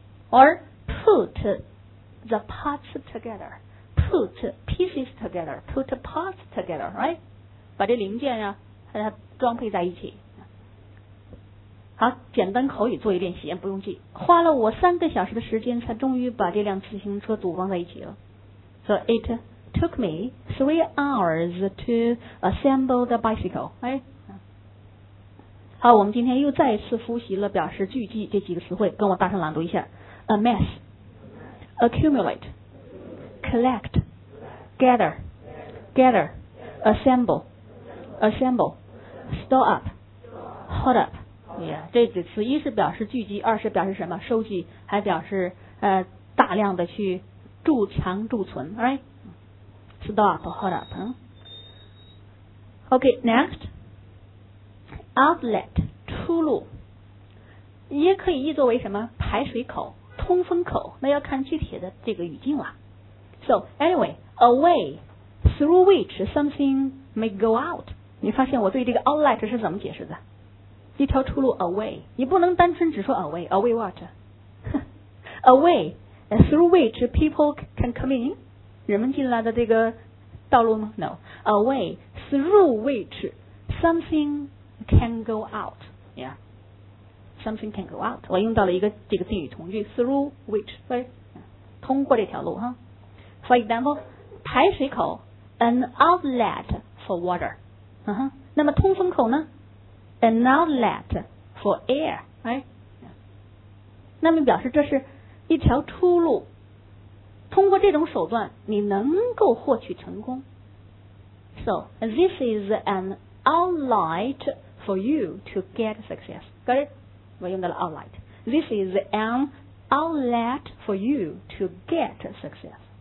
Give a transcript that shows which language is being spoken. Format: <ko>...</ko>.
<en>Or put the parts together. Put pieces together, put parts together, right?</en> <zh>把这零件啊，把它装配在一起。好，简单口语做一遍习不用记。花了我3个小时的时间，才终于把这辆自行车组装在一起了。</zh> <en>So it took me 3 hours to assemble the bicycle, right?</en> <zh>好，我们今天又再一次复习了表示聚集这几个词汇，跟我大声朗读一下 ：</zh> <en>amass, accumulate. Collect, gather, gather, assemble, assemble, store up, hold up.</en> <zh>Yeah, 这几次一是表示聚集，二是表示什么收集，还表示大量的去贮藏贮存 ，right?</zh> <en>Store up, hold up.、 Okay, next, outlet, 出路，</en> <zh>也可以译作为什么排水口、通风口，那要看具体的这个语境了。</zh> <en>So anyway, a way through which something may go out.</en> <zh>你发现我对这个 outlet 是怎么解释的？一条出路</zh> <en>a way.</en> <zh>你不能单纯只说</zh> <en>a way. A way what? A way through which people can come in.</en> <zh>人们进来的这个道路吗？</zh> <en>No. A way through which something can go out. Yeah. Something can go out.</en> <zh>我用到了一个这个定语从句</zh> <en>through which. Right.</en> <zh>通过这条路哈。</zh> <en>Huh? For example,</en> <zh>排水口</zh> <en>an outlet for water.、Uh-huh.</en> <zh>那么通风口呢</zh> <en>an outlet for air. Right? 那么表示这是一条出路，通过这种手段你能够获取成功。 So, this is an outlet for you to get success. Got it?</en> <zh>我用到了</zh> <en>outlet. This is an outlet for you to get success.</en>